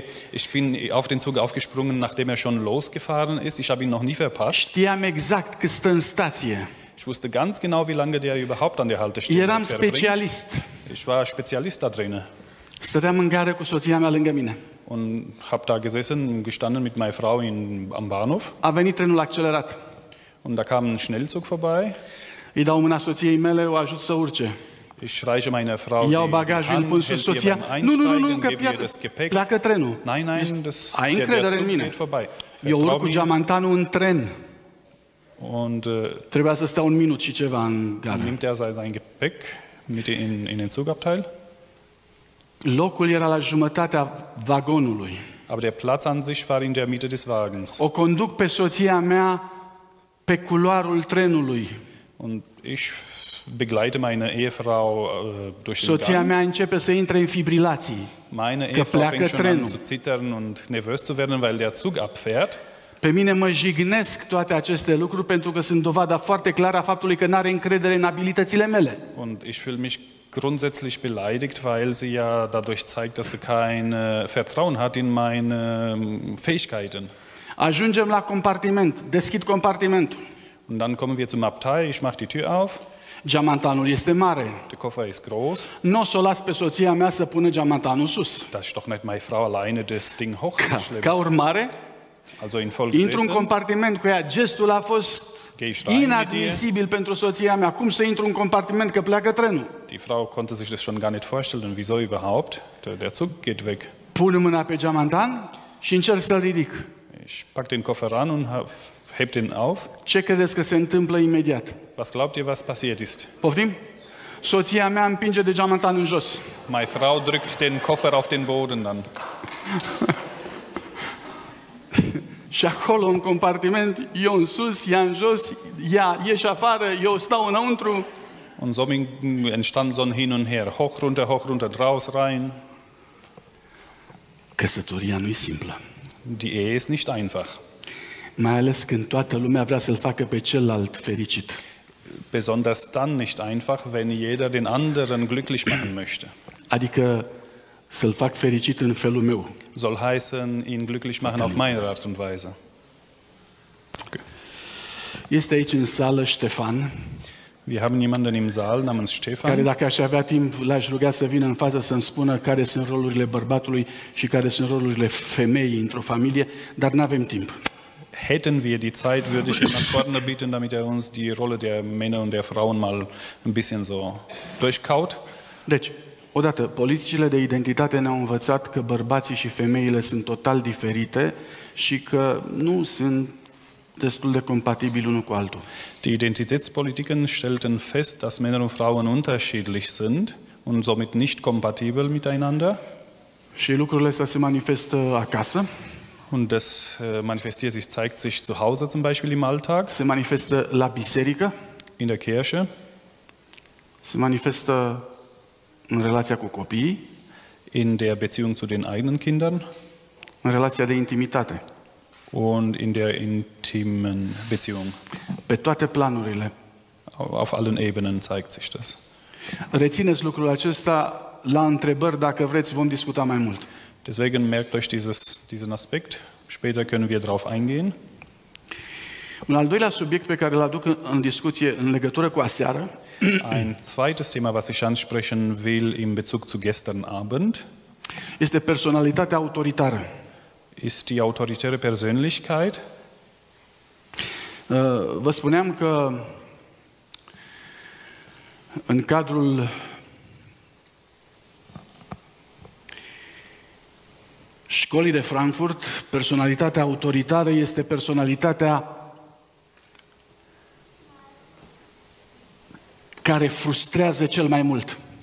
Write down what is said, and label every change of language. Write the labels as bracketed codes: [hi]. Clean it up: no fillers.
[de] Ich bin auf den Zug aufgesprungen, nachdem schon losgefahren ist. Ich habe ihn noch nie verpasst. [ro] Știam exact cât stă în stație. [de] Ich wusste ganz genau, wie lange der überhaupt an der Haltestelle verbringt. [ro] Eram specialist. [de] Ich war Spezialist da drin. [ro] Stăteam în gară cu soția mea lângă mine. [de] Und habe da gestanden mit meiner Frau am Bahnhof. [ro] A venit trenul accelerat. [de] Und da kam ein Schnellzug vorbei. [ro] Îi dau mâna soției mele, o ajut să urce. [de] Ich reiche meiner Frau [ro] iau bagajul, [de] die Hand, [ro] pun sus soția. Nu, că pleacă trenul. Ai încredere în mine. Eu urc cu geamantanul în tren. [de] Und, [ro] trebuia să stau un minut și ceva în gara. [de] Nimmt sein Gepäck mit in den Zugabteil. [ro] Locul era la jumătatea vagonului. [de] Aber der Platz an sich war in der Mitte des Wagens. [ro] O conduc pe soția mea pe culoarul trenului. [de] Und ich begleite meine Ehefrau durch den Gang. [ro] Soția mea începe să intre în fibrilații. [de] Meine Ehefrau fängt schon an zu zittern und nervös zu werden, weil der Zug abfährt. [ro] Pe mine mă jignesc toate aceste lucruri pentru că sunt dovada foarte clară a faptului că n-are încredere în abilitățile mele. [de] Und ich fühle mich grundsätzlich beleidigt, weil sie ja dadurch zeigt, dass sie kein Vertrauen hat in meine Fähigkeiten. [ro] Ajungem la compartiment. Deschid compartimentul. [de] Und dann kommen wir zum Abteil, ich mache die Tür auf. [ro] Geamantanul este mare. [de] Der Koffer ist groß. [ro] N-o s-o las pe soția mea să pună geamantanul sus. [de] Das ist doch nicht meine Frau alleine das Ding hochzuschleppen. [ro] Ca urmare, [de] also in [ro] intru în compartiment cu ea. Gestul a fost inadmisibil pentru soția mea. Cum să intru în compartiment că pleacă trenul? [de] Die Frau konnte sich das schon gar nicht vorstellen, wieso überhaupt? Der Zug geht weg. [ro] Pun mâna pe geamantan și încerc să-l ridic. [de] Ich pack den Koffer ran und hebt ihn auf. [ro] Ce credeți că se întâmplă imediat? [de] Was glaubt ihr, was passiert ist? [ro] Poftim? Soția mea împinge de geamantan în jos. [de] Meine Frau drückt den Koffer auf den Boden dann. [ro] Și acolo în compartiment, eu în sus, ea în jos, ea ieși afară, eu stau înăuntru. [de] Und so entstand so ein hin und her, hoch runter, draus, rein. [ro] Căsătoria nu e simplă. [de] Die Ehe ist nicht einfach. [ro] Mai ales când toată lumea vrea să-l facă pe celălalt fericit. [de] Besonders dann nicht einfach, wenn jeder den anderen glücklich machen möchte. [ro] Adică să-l fac fericit în felul meu. [de] Soll heißen, ihn glücklich machen auf meine Art und Weise. Okay. [ro] Este aici în sală Ștefan. [de] Wir haben jemanden im Saal namens Stefan. [ro] Care dacă aș avea timp, l-aș ruga să vină în fază să-mi spună care sunt rolurile bărbatului și care sunt rolurile femeii într-o familie, dar n-avem timp. [de] Hätten wir die Zeit, würde ich ihn nach vorne bitten, damit er uns die Rolle der Männer und der Frauen mal ein bisschen so durchkaut. [ro] Deci, odată, politicile de identitate ne-au învățat că bărbații și femeile sunt total diferite și că nu sunt destul de compatibil unul cu altul. [de] Die Identitätspolitiken stellten fest, dass Männer und Frauen unterschiedlich sind und somit nicht kompatibel miteinander. [ro] Și lucrurile astea se manifestă acasă. [de] Und das manifestiert sich, zeigt sich zu Hause zum Beispiel im Alltag. [ro] Se manifestă la biserică. [de] In der Kirche. [ro] Se manifestă în relația cu copiii. [de] In der Beziehung zu den eigenen Kindern. [ro] În relația de intimitate. [de] Und in der intimen Beziehung. [ro] Pe toate planurile. [de] Auf allen Ebenen zeigt sich das. [ro] Rețineți lucrul acesta la întrebări, dacă vreți, vom discuta mai mult. [de] Deswegen merkt euch diesen Aspekt. Später können wir darauf eingehen. [ro] Un al doilea subiect pe care l-aduc în discuție în legătură cu aseară. [de] Ein zweites Thema, was ich ansprechen will in Bezug zu gestern Abend. [ro] Este personalitatea autoritară. [de] Ist die autoritäre Persönlichkeit. [ro] Vă spuneam că în cadrul școlii de Frankfurt, personalitatea autoritară este personalitatea care frustrează cel mai mult.